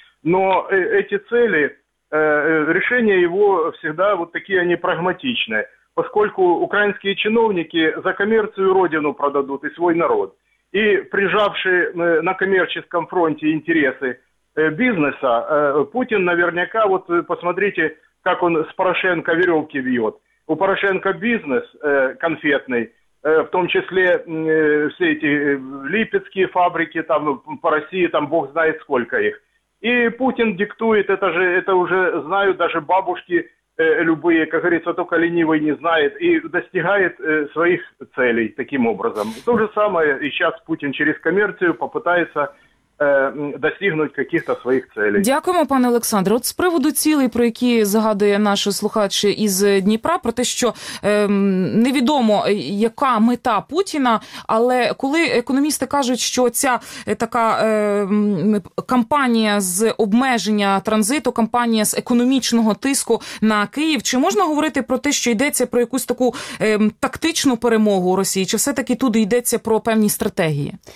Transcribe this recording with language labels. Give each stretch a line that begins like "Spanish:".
Ukrainian: Но ці цілі рішення його завжди вот такі, вони прагматичні, оскільки українські чиновники за комерцію родину продадуть і свій народ. І прижавши на комерційному фронті інтереси
Russian: бизнеса. Путин наверняка, вот посмотрите, как он с Порошенко веревки вьет. У Порошенко бизнес конфетный, в том числе все эти липецкие фабрики, там по России, там бог знает сколько их. И Путин диктует, это уже знают даже бабушки любые, как говорится, только ленивый не знает, и достигает своих целей таким образом. То же самое и сейчас Путин через коммерцию попытается достигнуть каких-то своих целей.
Ukrainian: Дякуємо, пане Олександре. От з приводу цілей, про які згадує наш слухач із Дніпра, про те, що невідомо, яка мета Путіна, але коли економісти кажуть, що ця така кампанія з обмеження транзиту, кампанія з економічного тиску на Київ, чи можна говорити про те, що йдеться про якусь таку тактичну перемогу Росії, чи все-таки туди йдеться про певні стратегії?